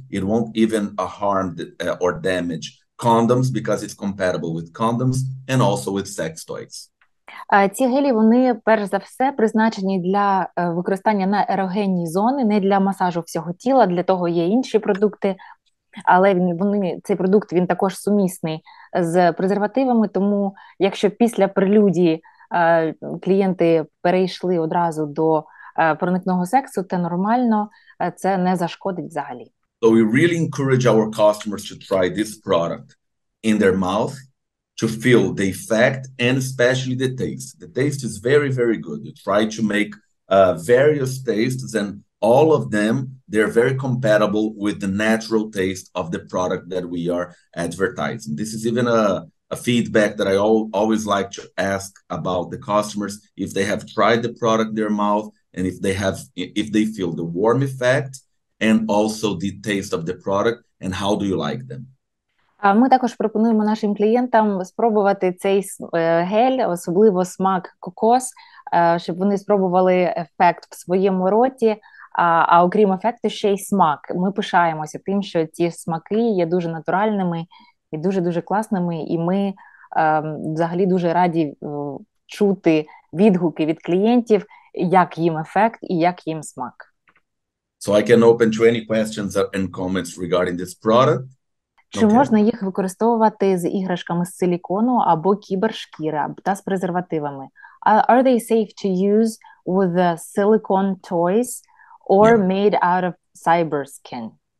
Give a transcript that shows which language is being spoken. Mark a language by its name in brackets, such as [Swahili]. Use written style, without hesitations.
[English] It won't even harm or damage condoms, because it's compatible with condoms and also with sex toys. [Ukrainian] Ці гелі, вони, перш за все, призначені для використання на ерогенні зони, не для масажу всього тіла, для того є інші продукти. Але цей продукт, він також сумісний з презервативами, тому якщо після прелюдії клієнти перейшли одразу до проникного сексу, то нормально, це не зашкодить взагалі. [English] So we really encourage our customers to try this product in their mouth, to feel the effect and especially the taste. The taste is very, very good. You try to make various tastes, and all of them, they're very compatible with the natural taste of the product that we are advertising. This is even a feedback that I always like to ask about the customers, if they have tried the product in their mouth, and if they feel the warm effect, and also the taste of the product, and how do you like them? [Ukrainian] Ми також пропонуємо нашим клієнтам спробувати цей гель, особливо смак кокос, щоб вони спробували ефект в своєму роті, а окрім ефекту ще й смак. Ми пишаємося тим, що ці смаки є дуже натуральними і дуже-дуже класними, і ми взагалі дуже раді чути відгуки від клієнтів, як їм ефект і як їм смак. [English] So I can open to any questions and comments regarding this product. [Ukrainian] Чи можна їх використовувати з іграшками з силікону або кібершкіра та з презервативами? [English] Are they safe to use with the silicone toys or made out of cyber skin?